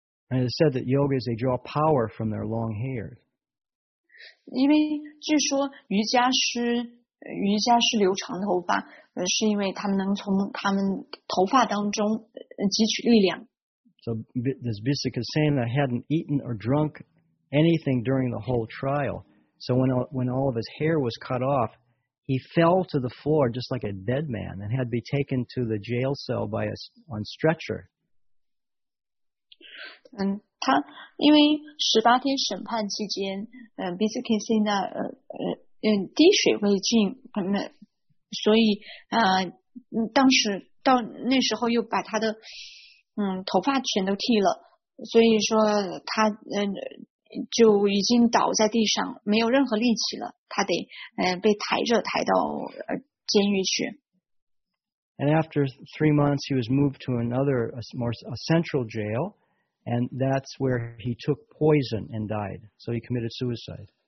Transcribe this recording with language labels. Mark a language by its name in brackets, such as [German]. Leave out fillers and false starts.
[English] And it said that yogis, they draw power from their long hair. [Chinese] 因为据说瑜伽师留长头发是因为他们能从他们头发当中汲取力量。 [English] So this Bhisikasena hadn't eaten or drunk anything during the whole trial. So when all of his hair was cut off,He fell to the floor just like a dead man and had to be taken to the jail cell by a on stretcher. [Chinese] 他因为18天审判期间，Bhisikasena滴水未进，所以当时到那时候又把他的头发全都剃了，所以说他就已经倒在地上，没有任何力气了。他得被抬到监狱去。 [English] And after 3 months, he was moved to another a central jail, and that's where he took poison and died. So he committed suicide.